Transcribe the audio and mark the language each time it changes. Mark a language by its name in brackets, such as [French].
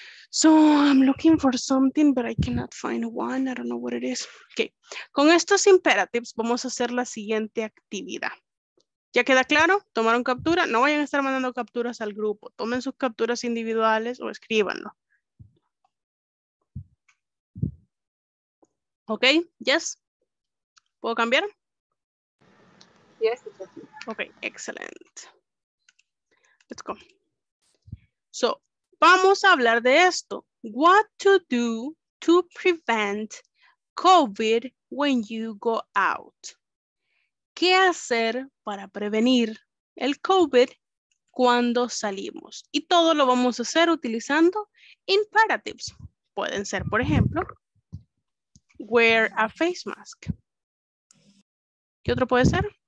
[English] So, I'm looking for something, but I cannot find one. I don't know what it is. Okay. [Spanish] Con estos imperatives, vamos a hacer la siguiente actividad. ¿Ya queda claro? ¿Tomaron captura? No vayan a estar mandando capturas al grupo. Tomen sus capturas individuales o escríbanlo. ¿Ok? [English] ¿Yes? [Spanish] ¿Puedo cambiar? [English] Yes. [Spanish] Ok, excelente. [English] Let's go. [Spanish] So, vamos a hablar de esto. [English] What to do to prevent COVID when you go out? [Spanish] ¿Qué hacer para prevenir el COVID cuando salimos? Y todo lo vamos a hacer utilizando imperatives. Pueden ser, por ejemplo, [English] wear a face mask. [Spanish] ¿Qué otro puede ser?